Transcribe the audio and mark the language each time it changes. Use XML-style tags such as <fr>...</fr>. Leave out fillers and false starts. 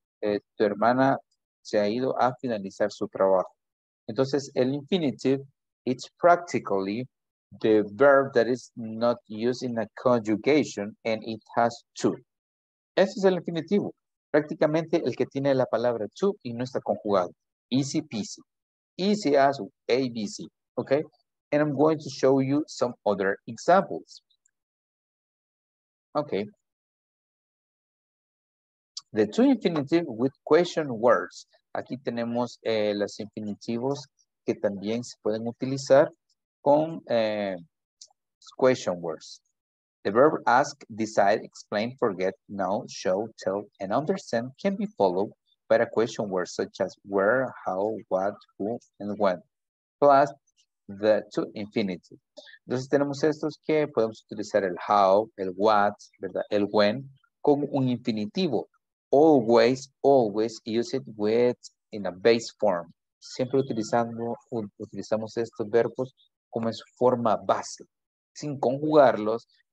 <es>Tu hermana se ha ido a finalizar su trabajo. Entonces, el</es> <en>infinitive, it's practically the verb that is not used in a conjugation and it has to.</en> <es>Ese es el infinitivo. Prácticamente el que tiene la palabra to y no está conjugado.</es> <en>Easy peasy. Easy as ABC. Okay? And I'm going to show you some other examples. Okay. The two infinitives with question words.</en> <es>Aquí tenemos las infinitivos que también se pueden utilizar con question words.</es> <en>The verb ask, decide, explain, forget, know, show, tell, and understand can be followed by a question word such as where, how, what, who, and when. Plus, the two infinitive.</en> <es>Entonces tenemos estos que podemos utilizar el how, el what, ¿verdad? El when, como un infinitivo.</es> <en>Always, always use it with in a base form.</en> <es>Siempre utilizamos estos verbos como en su forma base, sin conjugarlos.</es>